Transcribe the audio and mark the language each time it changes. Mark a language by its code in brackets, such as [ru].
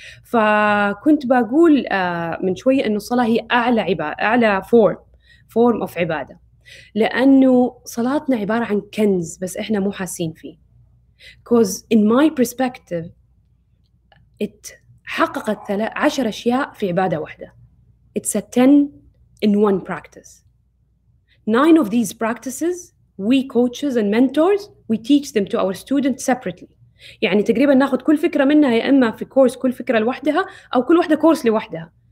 [ar] فكنت بقول من شوية أنه الصلاة هي أعلى عبادة، أعلى form of عبادة، لأنه صلاتنا عبارة عن كنز بس إحنا مو حاسين فيه. [en] Because in my perspective it [ar] حققت 10 أشياء في عبادة واحدة. [en] It's a 10 in one practice. 9 of these practices we coaches and mentors we teach them to our students separately. [ar] يعني تقريبا ناخد كل فكرة منها، يا إما في كورس كل فكرة لوحدها أو كل واحدة كورس لوحدها.